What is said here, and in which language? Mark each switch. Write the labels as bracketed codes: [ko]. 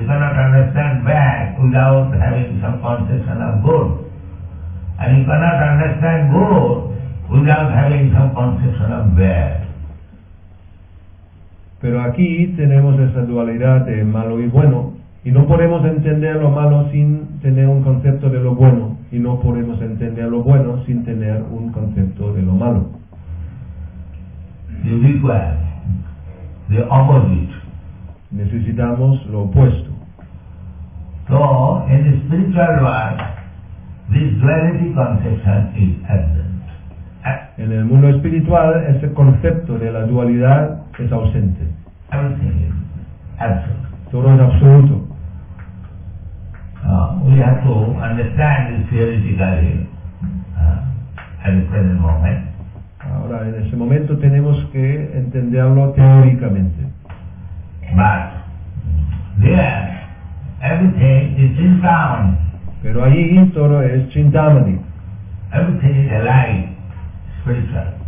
[en] You cannot understand bad without having some conception of good. And you cannot understand good without having some conception of bad. [es] Pero aquí tenemos esa dualidad de malo y bueno, y no podemos entender lo malo sin tener un concepto de lo bueno, y no podemos entender lo bueno sin tener un concepto de lo malo. [en] You require the opposite. [es] Necesitamos lo opuesto. [en] So, in the spiritual world, this duality conception is absent. [es] En el mundo espiritual, ese concepto de la dualidad es ausente. [en] Everything is absolute. [es] Todo es absoluto. [en] We have to understand this theoretically at the present moment. [es] Ahora, en ese momento tenemos que entenderlo teóricamente. [en] But there, everything is Chintamani. [es] Pero allí todo es Chintamani. [en] Everything is alive, spiritual.